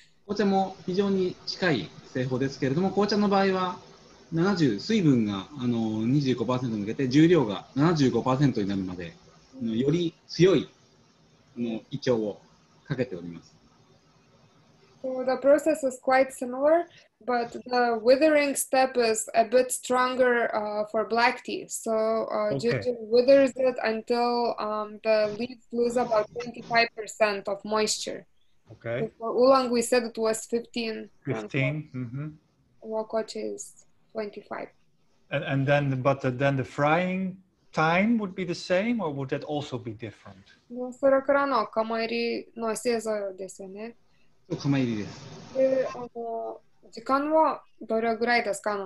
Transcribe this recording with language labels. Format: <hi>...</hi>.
<ja>紅茶も非常に近い製法ですけれども、紅茶の場合は70水分があの 25% 抜けて、重量が 75% になるまで、より強いの胃腸をかけております。</ja> <en>So the process is quite similar, but the withering step is a bit stronger for black tea. So Jinjin withers it until the leaves lose about 25% of moisture. Okay. So for oolong, we said it was 15. 15. Mm-hmm. Wakocha is 25. And then the frying time would be the same, or would that also be different?</en> <ja>No, それからの釜入りの製造ですよね。釜入りです。で、あの、時間はどれぐらいですか？</ja>